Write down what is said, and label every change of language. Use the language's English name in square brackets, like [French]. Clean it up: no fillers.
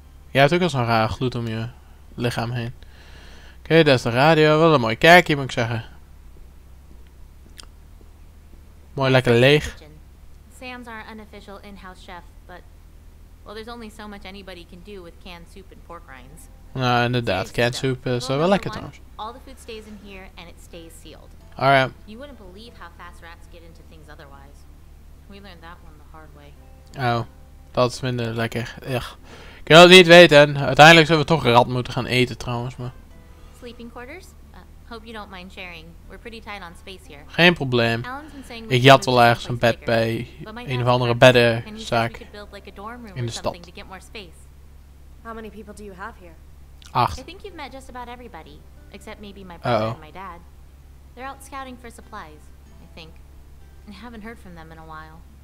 [Dutch] Jij hebt ook al zo'n rare gloed om je lichaam heen. Oké, dat is de radio. Wat een mooi kerkje, moet ik zeggen. Mooi lekker leeg. [English] Sam's our unofficial in-house chef, but well, there's only so much anybody can do with canned soup and pork rinds. [Dutch] Nou, inderdaad, [English] canned soup [Dutch] is wel lekker trouwens. [English] All the food stays in here and it stays sealed. Alright. You wouldn't believe how fast rats get into things otherwise. We learned that one the hard way. [Dutch] Oh, dat is minder lekker. Ech. Ik wil het niet weten. Uiteindelijk zullen we toch rat moeten gaan eten trouwens, maar. [English] Sleeping quarters? Hope you don't mind sharing. We're pretty tight on space here. [Dutch] Geen probleem. Ik jat wel ergens een bed bij een of andere beddenzaak in de stad. [English] How many people do you have here? 8. I think you've met just about everybody, except maybe my brother and my dad. They're out scouting for supplies, I think. I haven't heard from them in a while.